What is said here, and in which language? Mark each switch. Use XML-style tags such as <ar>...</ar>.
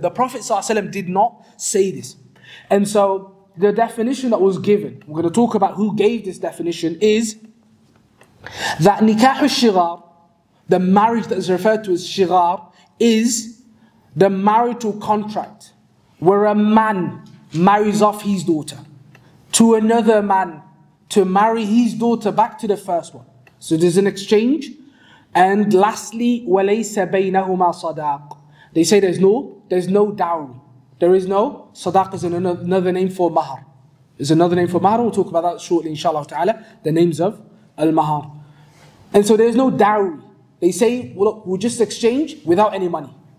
<en>The Prophet sallallahu alayhi wasallam did not say this. And so the definition that was given, we're going to talk about who gave this definition, is that nikah al-shighar, the marriage that is referred to as shighar, is the marital contract where a man marries off his daughter to another man to marry his daughter back to the first one. So there's an exchange. And lastly,</en> <ar>وَلَيْسَ بَيْنَهُمَا صَدَاقٌ.</ar> <en>They say there's no dowry. There is no, sadaq is another name for mahar. Is another name for mahar, we'll talk about that shortly, inshallah ta'ala, the names of al-mahar. And so there is no dowry. They say, well, look, we'll just exchange without any money.</en>